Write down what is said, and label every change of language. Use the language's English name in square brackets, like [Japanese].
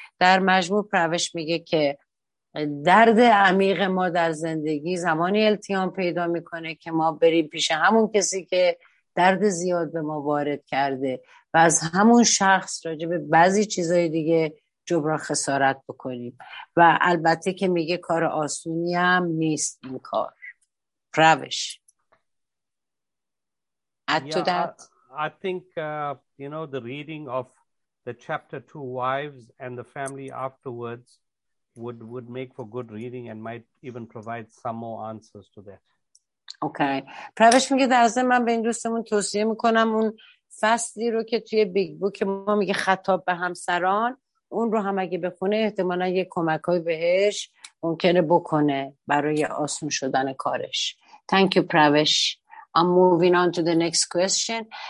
[Persian] در مجموع پروش میگه که درد عمیق ما در زندگی زمانی التیام پیدا میکنه که ما بریم پیش همون کسی که درد زیاد به ما وارد کرده و از همون شخص راجع به بعضی چیزای دیگه جبران خسارت بکنیم. و البته که میگه کار آسونی هم نیست این کار. پروش [English] I think, you know, the reading of the chapter two, wives and the family afterwards would make for good reading and might even provide some more answers to that. Okay. [Persian] پروش میگه در ضمن من به این دوستمون توصیه میکنم اون فصلی رو که توی بیگ بوک ما میگه خطاب به همسران، اون رو هم اگه بخونه احتمالا یه کمک های بهش ممکنه بکنه برای آسون شدن کارش. [English] Thank you, پروش. I'm moving on to the next question.